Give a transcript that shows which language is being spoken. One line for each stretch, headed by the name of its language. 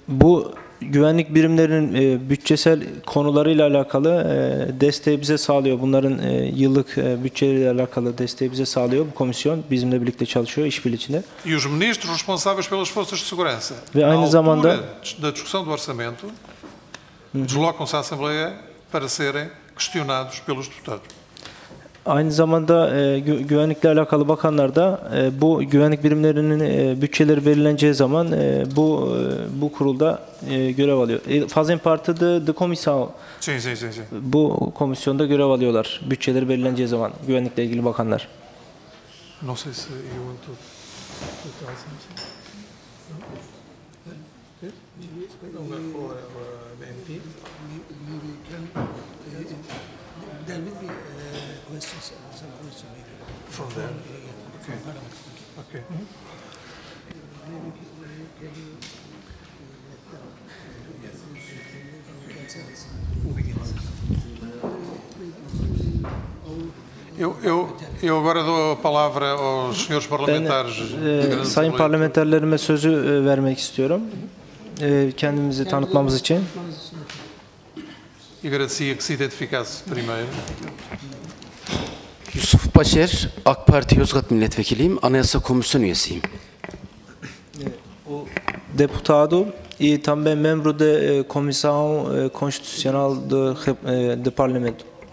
Turkish: Bu güvenlik birimlerinin bütçesel konularıyla alakalı desteği bize sağlıyor. Bunların yıllık bütçeleriyle alakalı desteği bize sağlıyor bu komisyon. Bizimle birlikte çalışıyor işbirliği içinde.
Portuguese: E os ministros responsáveis pelas forças de segurança.
Turkish: Ve aynı zamanda
Portuguese: da discussão do orçamento deslocam-se à Assembleia para serem questionados pelos deputados.
Turkish: Aynı zamanda güvenlikle alakalı bakanlar da bu güvenlik birimlerinin bütçeleri belirleneceği zaman bu kurulda görev alıyor.
Portuguese: Fazem parte de
Turkish: komisyon. Bu komisyonda görev alıyorlar bütçeleri belirleneceği zaman güvenlikle ilgili bakanlar.
Portuguese: Não sei se eu entro. Eu agora dou a palavra aos senhores parlamentares.
Turkish: Sayın parlamenterlerime sözü vermek istiyorum. Kendimizi tanıtmamız için.
Portuguese: E agradecia que se identificasse primeiro.
Turkish: Yusuf Başer, AK Parti Yozgat Milletvekiliyim, Anayasa Komisyonu üyesiyim.
Portuguese: O deputado e também membro de Comissão Constitucional do Parlamento.